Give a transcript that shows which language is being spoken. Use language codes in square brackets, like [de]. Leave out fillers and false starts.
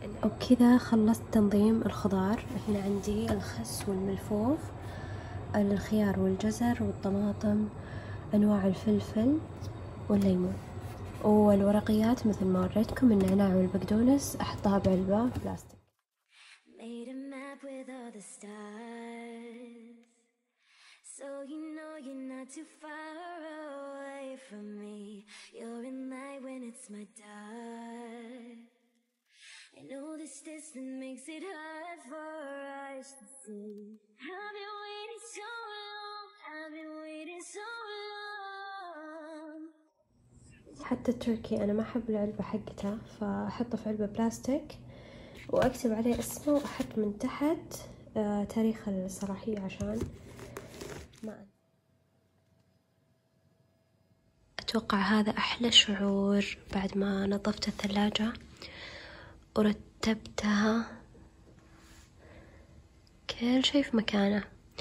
[ar] لأن وبكذا خلصت تنظيم الخضار. هنا عندي الخس والملفوف، الخيار والجزر والطماطم، أنواع الفلفل والليمون، والورقيات مثل ما وريتكم النعناع والبقدونس أحطها بعلبة بلاستيك. [en] Made a map with all the stars, so you know you're not too far away from me. You're in light when it's my dark. I know this distance makes it hard for us to see. I've been waiting so long, I've been waiting so long. [ar] حتى التركي أنا ما أحب العلبة حقتها، فأحطه في علبة بلاستيك وأكتب عليه اسمه وأحط من تحت تاريخ الصلاحية عشان ما أتوقع. هذا أحلى شعور بعد ما نظفت الثلاجة ورتبتها كل شيء في مكانه.